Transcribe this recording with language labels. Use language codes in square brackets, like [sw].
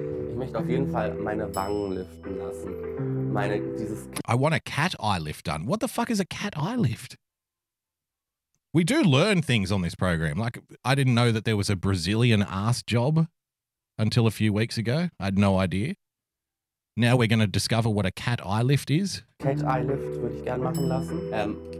[de] Ich möchte auf jeden Fall meine Wangen liften lassen. [en] I want a cat eye lift done. What the fuck is a cat eye lift? We do learn things on this program. Like, I didn't know that there was a Brazilian ass job until a few weeks ago. I had no idea. Now we're going to discover what a cat eye lift is. [de] Cat eye lift würde ich gerne machen lassen.